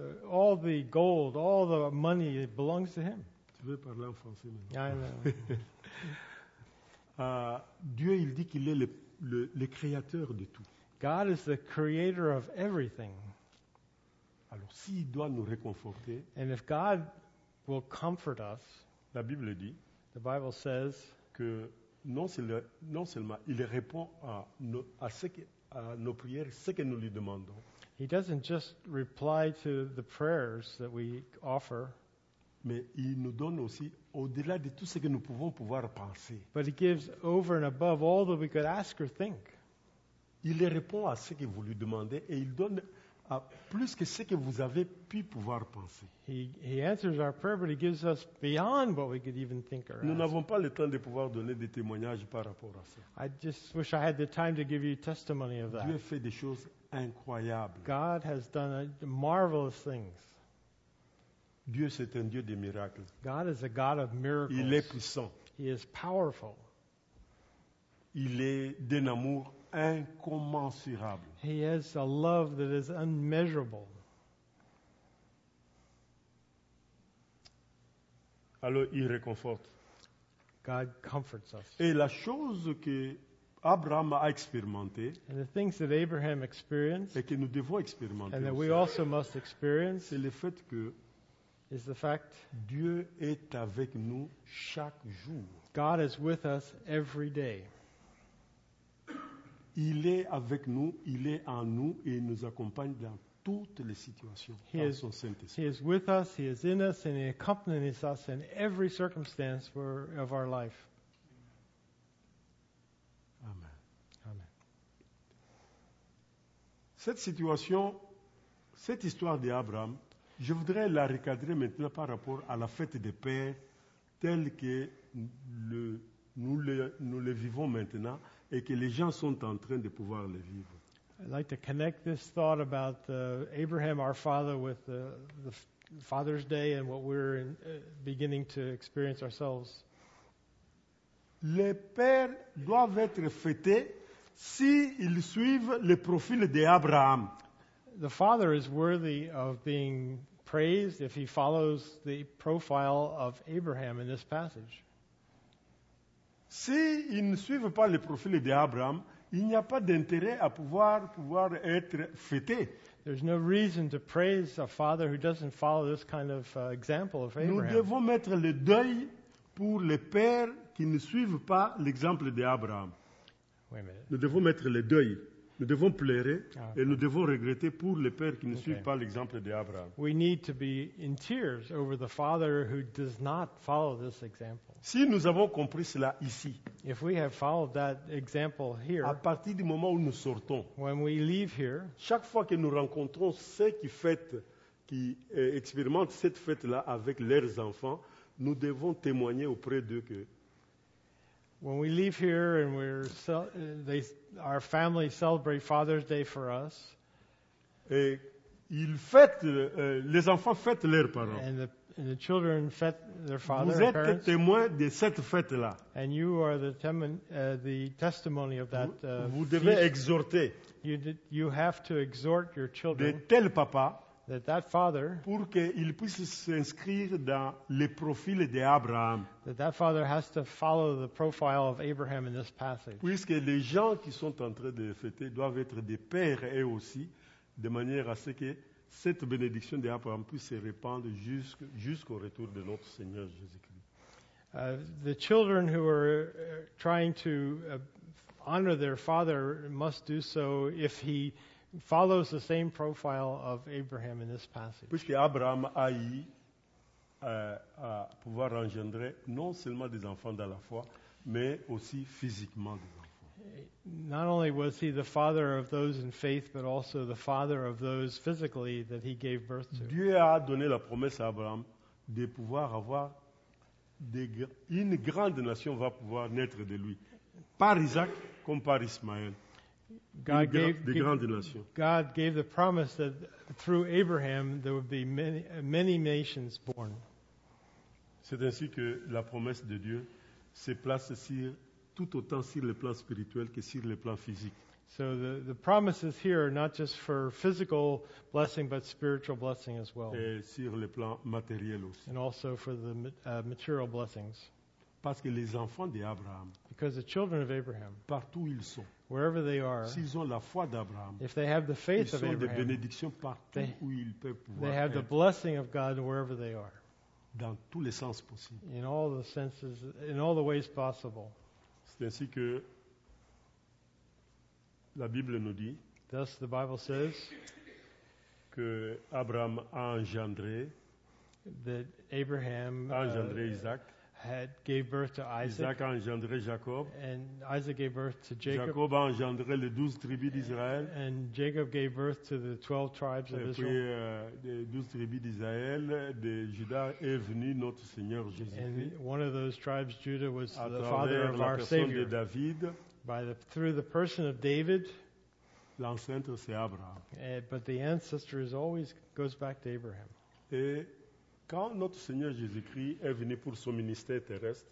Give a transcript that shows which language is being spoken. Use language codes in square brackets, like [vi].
[en] All the gold, all the money belongs to him. [fr] Tu veux parler en français maintenant? [en] Yeah, I know. [fr] Dieu, il dit qu'il est le créateur de tout. [en] God is the creator of everything. [fr] Alors, s'il doit nous réconforter, [en] and if God will comfort us, [fr] la Bible dit, [en] the Bible says, [fr] que non seulement il répond à nos prières, ce que nous lui demandons. [en] He doesn't just reply to the prayers that we offer. [fr] Mais il nous donne aussi, au-delà de tout ce que nous pouvons pouvoir penser. [en] But he gives over and above all that we could ask or think. [fr] Il répond à ce que vous lui demandez et il donne à plus que ce que vous avez pu pouvoir penser. [en] He answers our prayer, but he gives us beyond what we could even think or ask. [fr] Nous n'avons pas le temps de pouvoir donner des témoignages par rapport à ça. [en] I just wish I had the time to give you testimony of that. [fr] Dieu fait des choses incroyables. [en] God has done marvelous things. [fr] Dieu, c'est un Dieu de miracles. [en] God is a God of miracles. [fr] Il est puissant. [en] He is powerful. [fr] Il est d'un amour incommensurable. [en] He has a love that is unmeasurable. [fr] Alors, il réconforte. [en] God comforts us. [fr] Et la chose que Abraham a expérimenté, [en] and the things that Abraham experienced, [fr] et que nous devons expérimenter, [en] and that we also must experience, [fr] c'est le fait que [en] is the fact [fr] Dieu est avec nous chaque jour. [en] God is with us every day. [fr] Il est avec nous, il est en nous et il nous accompagne dans toutes les situations. [en] He is, [fr] son Saint-Esprit. [en] He is with us, he is in us and he accompanies us in every circumstance of our life. Amen. Amen. [fr] Cette situation, cette histoire d'Abraham, je voudrais la recadrer maintenant par rapport à la fête des pères telle que nous le vivons maintenant. Et que les gens sont en train de pouvoir les vivre. [en] I'd like to connect this thought about Abraham, our father, with the Father's Day and what we're beginning to experience ourselves. [fr] Les pères doivent être fêtés si ils suivent le profil d'Abraham. [en] The father is worthy of being praised if he follows the profile of Abraham in this passage. [fr] S'ils ne suivent pas le profil d'Abraham, il n'y a pas d'intérêt à pouvoir être fêté. [en] There's no reason to praise a father who doesn't follow this kind of example of Abraham. [fr] Nous devons mettre le deuil pour les pères qui ne suivent pas l'exemple d'Abraham. [en] Wait a minute. [fr] Nous devons mettre le deuil. Nous devons pleurer et nous devons regretter pour les pères qui ne suivent pas l'exemple d'Abraham. [en] We need to be in tears over the father who does not follow this example. [fr] Si nous avons compris cela ici, [en] if we have followed that example here, [fr] à partir du moment où nous sortons, [en] when we leave here, [fr] chaque fois que nous rencontrons ceux qui expérimentent cette fête-là avec leurs enfants, nous devons témoigner auprès d'eux que [en] when we leave here and our family celebrate Father's Day for us, [fr] et ils fêtent, les enfants fêtent leurs parents. [en] And the children fête their father. [fr] Vous êtes témoin de cette fête-là. [en] And you are the testimony of that. [fr] Vous devez exhorter. [en] You have to exhort your children. [fr] De tel papa. [en] That father, [fr] pour qu'il puisse s'inscrire dans le profil d'Abraham. [en] That father has to follow the profile of Abraham in this passage. [fr] Puisque les gens qui sont en train de fêter doivent être des pères et aussi de manière à ce que cette bénédiction d'Abraham puisse se répandre jusqu'au retour de notre Seigneur Jésus-Christ. [en] The children who are trying to honor their father must do so if he follows the same profile of Abraham in this passage. [fr] Puisque Abraham a eu à pouvoir engendrer non seulement des enfants dans la foi, mais aussi physiquement des enfants. [en] Not only was he the father of those in faith, but also the father of those physically that he gave birth to. [fr] Dieu a donné la promesse à Abraham de pouvoir avoir une grande nation va pouvoir naître de lui, par Isaac comme par Ismaël. [en] God gave the promise that through Abraham there would be many nations born. [fr] C'est ainsi que la promesse de Dieu se place sur tout autant sur le plan spirituel que sur le plan physique. [en] So the promise is here not just for physical blessing but spiritual blessing as well. [fr] Et sur le plan matériel aussi. [en] And also for the material blessings. [fr] Parce que les enfants d'Abraham, [en] because the children of Abraham, [fr] partout où ils sont, [en] wherever they are, [fr] s'ils ont la foi d'Abraham, [en] if they have the faith [fr] ils sont [en] of Abraham, [fr] des bénédictions partout [en] they, [fr] où ils peuvent pouvoir [en] they have [fr] être. [en] The blessing of God wherever they are. [fr] Dans tous les sens possibles. [en] In all the senses, in all the ways possible. [fr] C'est ainsi que la Bible nous dit. [en] Thus the Bible says [fr] que Abraham a engendré. [en] That Abraham [fr] a engendré Isaac. [en] Had gave birth to Isaac. [fr] Isaac a engendré Jacob. [en] And Isaac gave birth to Jacob. [fr] Jacob a engendré les 12 tribus d'Israël. [en] And Jacob gave birth to the 12 tribes of Israel. [fr] Et puis les 12 tribus d'Israël, de Juda est venu notre Seigneur Jésus-Christ. [en] And one of those tribes, Judah, was the father of our Savior. [fr] De David. [en] Through the person of David. [fr] L'ancêtre c'est Abraham. [en] But the ancestor is always goes back to Abraham. [fr] Et quand notre Seigneur Jésus-Christ est venu pour son ministère terrestre,